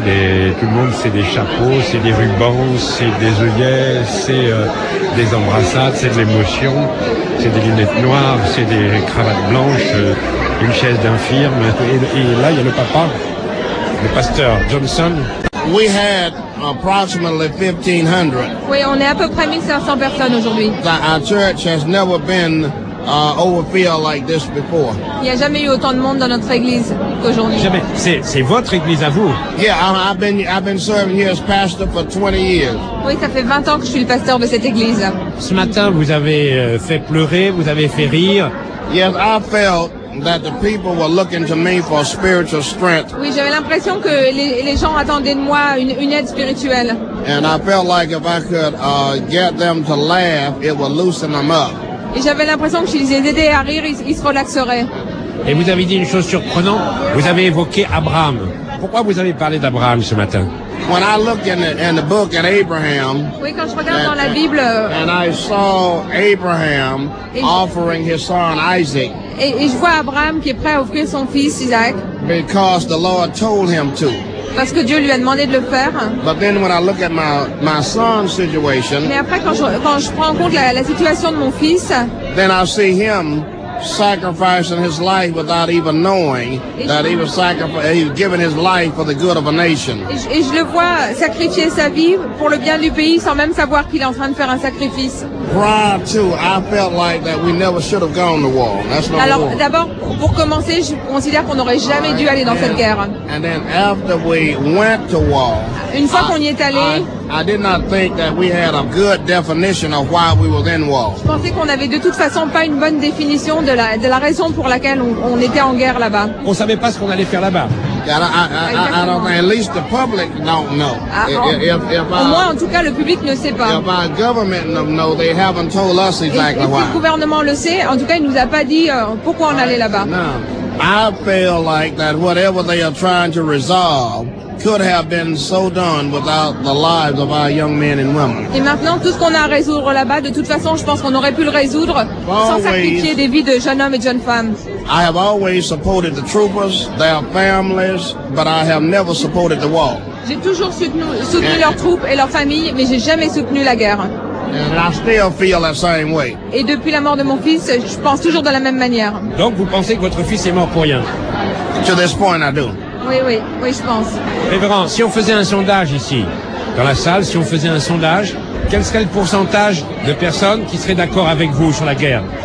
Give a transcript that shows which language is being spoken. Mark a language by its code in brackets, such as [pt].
[fr] Tout le monde, c'est des chapeaux, c'est des rubans, c'est des œillets, c'est des embrassades, c'est de l'émotion. C'est des lunettes noires, c'est des cravates blanches, une chaise d'infirme. Et là, il y a le papa, le pasteur Johnson. [en] We had approximately 1,500. [fr] Oui, on est à peu près 1,500 personnes aujourd'hui. [en] Our church has never been overfilled like this before. [fr] Il n'y a jamais eu autant de monde dans notre église qu'aujourd'hui. Jamais. C'est votre église à vous. [en] Yeah, I've been serving here as pastor for 20 years. [fr] Oui, ça fait 20 ans que je suis le pasteur de cette église. Ce matin, vous avez fait pleurer, vous avez fait rire. [en] Yes, I felt that the people were looking to me for spiritual strength. [fr] Oui, j'avais l'impression que les gens attendaient de moi une aide spirituelle. [en] And I felt like if I could get them to laugh, it would loosen them up. [fr] Et j'avais l'impression que si je les aidais à rire, ils se relaxeraient. Et vous avez dit une chose surprenante. Vous avez évoqué Abraham. Pourquoi vous avez parlé d'Abraham ce matin? [en] When I look in the book at Abraham, [fr] oui, quand je regarde dans la Bible, [en] and I saw Abraham offering his son Isaac. [fr] Et je vois Abraham qui est prêt à offrir son fils Isaac. [en] Because the Lord told him to. [fr] Parce que Dieu lui a demandé de le faire. [en] But then when I look at my son's situation, [fr] mais après quand je prends en compte la situation de mon fils, [en] then I see him sacrificing his life without even knowing that he was giving his life for the good of a nation. [fr] Et je le vois sacrifier sa vie pour le bien du pays sans même savoir qu'il est en train de faire un sacrifice. [en] Prior to, I felt like that we never should have gone to war. That's not war. [fr] Alors d'abord, pour commencer, je considère qu'on n'aurait jamais dû aller dans cette guerre. [en] And then after we went to war, [fr] une fois qu'on y est allé, [en] I did not think that we had a good definition of why we were in war. [fr] Je pensais qu'on avait de toute façon pas une bonne définition de la raison pour laquelle on était en guerre là-bas. On savait pas ce qu'on allait faire là-bas. [en] I don't think, at least the public don't know. [fr] Au moins, en tout cas, le public ne sait pas. [en] If our government don't know, they haven't told us exactly why. [fr] Si le gouvernement le sait, en tout cas, il nous a pas dit pourquoi on allait là-bas. [en] No. I feel like that whatever they are trying to resolve could have been so done without the lives of our young men and women. [fr] Et maintenant, tout ce qu'on a à résoudre là-bas, de toute façon, je pense qu'on aurait pu le résoudre sans sacrifier des vies de jeunes hommes et de jeunes femmes. [en] I have always supported the troopers, their families, but I have never supported the war. [fr] J'ai toujours soutenu leurs troupes et leurs familles, mais j'ai jamais soutenu la guerre. [en] And I still feel that same way. [fr] Et depuis la mort de mon fils, je pense toujours de la même manière. Donc, vous pensez que votre fils est mort pour rien? [en] To this point, I do. [fr] Oui, je pense. Révérend, si on faisait un sondage ici, dans la salle, si on faisait un sondage, quel serait le pourcentage de personnes qui seraient d'accord avec vous sur la guerre?